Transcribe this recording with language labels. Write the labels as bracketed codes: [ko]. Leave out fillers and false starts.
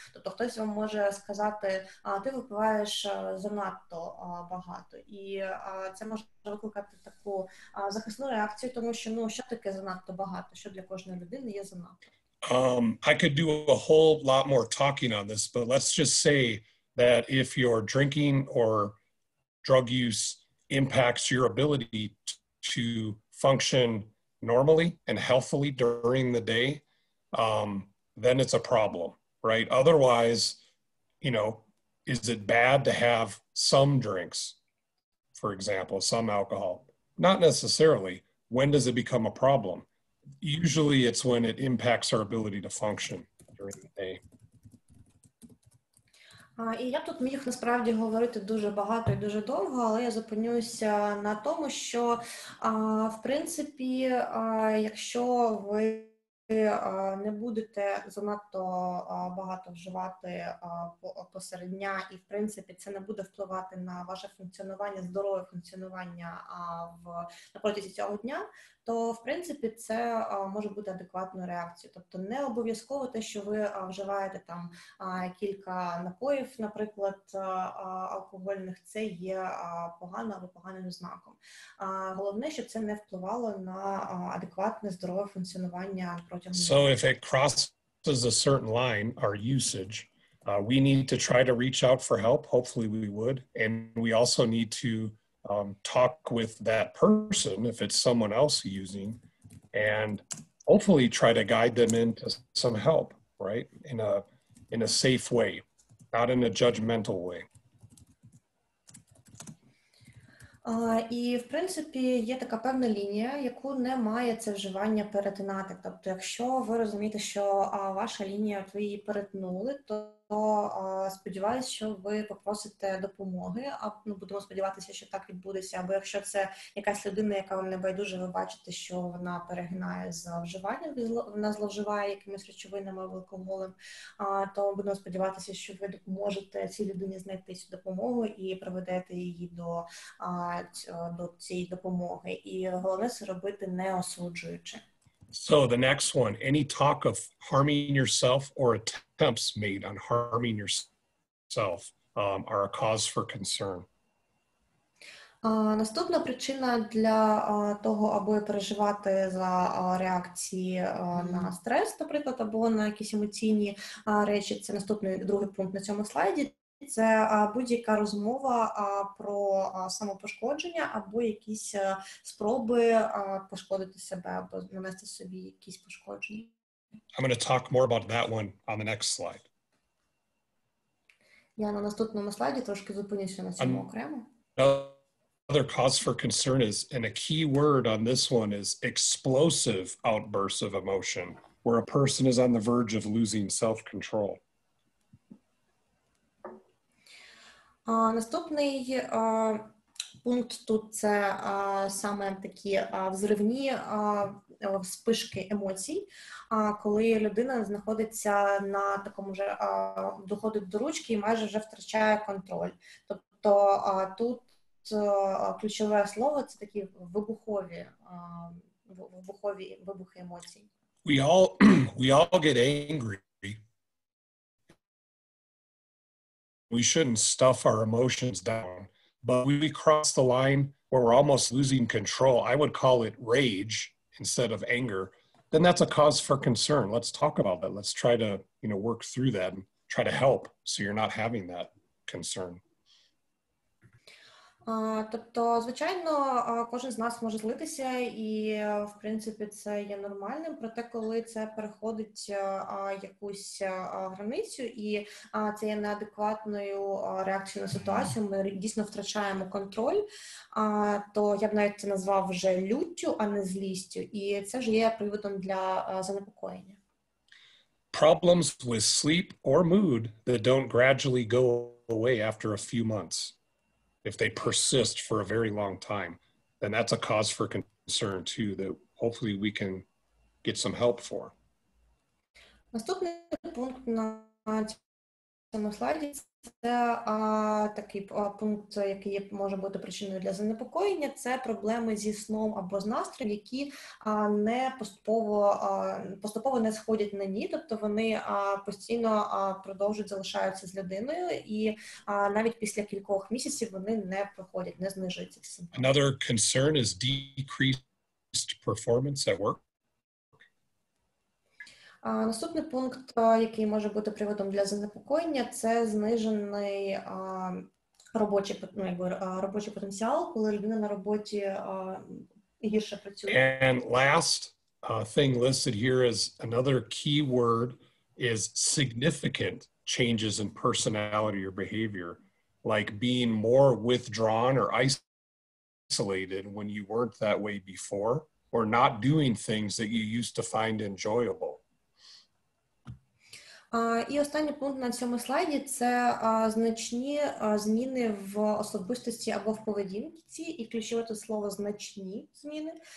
[uk] Тобто хтось вам може сказати, ти випиваєш занадто багато. І це може викликати таку захисну реакцію, тому що, ну, що таке занадто багато? Що для кожної людини є занадто? [en] I could do a whole lot more talking on this, but let's just say that if your drinking or drug use impacts your ability to function normally and healthily during the day, then it's a problem, right? Otherwise, you know, is it bad to have some drinks, for example, some alcohol? Not necessarily. When does it become a problem? Usually it's when it impacts our ability to function during the day. [uk] І я тут міг насправді говорити дуже багато і дуже довго, але я зупинюся на тому, що в принципі, якщо ви не будете занадто багато вживати посеред дня, і в принципі це не буде впливати на ваше функціонування, здорове функціонування на протязі цього дня, то в принципі це може бути адекватною реакцією. Тобто не обов'язково те, що ви вживаєте там кілька напоїв, наприклад, алкогольних, це є погано або поганим знаком. Головне, щоб це не впливало на адекватне здорове функціонування протягом дня. [en] So if it crosses a certain line, our usage, we need to try to reach out for help, hopefully we would, and we also need to talk with that person, if it's someone else using, and hopefully try to guide them into some help, right? In a safe way, not in a judgmental way. [uk] І, в принципі, є така певна лінія, яку не має це вживання перетинати. Тобто, якщо ви розумієте, що ваша лінія, ви її перетнули, то сподіваюся, що ви попросите допомоги, а ну, будемо сподіватися, що так відбудеться. Або якщо це якась людина, яка вам не байдуже, ви бачите, що вона перегинає з вживанням, вона зловживає якимись речовинами або алкоголем, то будемо сподіватися, що ви допоможете цій людині знайти цю допомогу і приведете її до цієї допомоги. І головне це робити не осуджуючи. [en] So the next one, any talk of harming yourself or attempts made on harming yourself are a cause for concern. [uk] Наступна причина для того, аби переживати за реакції на стрес, наприклад, або на якісь емоційні речі, це наступний другий пункт на цьому слайді. Це будь-яка розмова про самопошкодження або якісь спроби пошкодити себе або нанести собі якісь пошкодження. [en] I'm going to talk more about that one on the next slide. [uk] Я на наступному слайді трошки зупинюся на цьому окремо. [en] Another cause for concern is, and a key word on this one is explosive outbursts of emotion, where a person is on the verge of losing self-control. [uk] Наступний пункт тут – це саме такі взривні вспишки емоцій, коли людина знаходиться на такому вже, доходить до ручки і майже вже втрачає контроль. Тобто тут ключове слово – це такі вибухові емоцій. [en] We all get angry. We shouldn't stuff our emotions down, but when we cross the line where we're almost losing control, I would call it rage instead of anger, then that's a cause for concern. Let's talk about that. Let's try to, you know, work through that and try to help so you're not having that concern. [uk] Тобто, звичайно, кожен з нас може злитися, і, в принципі, це є нормальним. Проте, коли це переходить якусь границю, і це є неадекватною реакцією на ситуацію, ми дійсно втрачаємо контроль, то я б навіть це назвав вже люттю, а не злістю. І це вже є приводом для занепокоєння. [en] Problems with sleep or mood that don't gradually go away after a few months. If they persist for a very long time, then that's a cause for concern too that hopefully we can get some help for. [uk] Наступний пункт на цьому слайді це такий пункт, який може бути причиною для занепокоєння, це проблеми зі сном або з настроєм, які не поступово не сходять на ні, тобто вони постійно продовжують залишаються з людиною і навіть після кількох місяців вони не проходять, не знижуються. [en] Another concern is decreased performance at work. [uk] Наступний пункт, який може бути приводом для занепокоєння, це знижений робочий потенціал, коли людина на роботі гірше працює. [en] And last thing listed here is another key word is significant changes in personality or behavior, like being more withdrawn or isolated when you weren't that way before, or not doing things that you used to find enjoyable. [uk] І останній пункт на цьому слайді – це значні зміни в особистості або в поведінці, і ключове тут слово «значні зміни».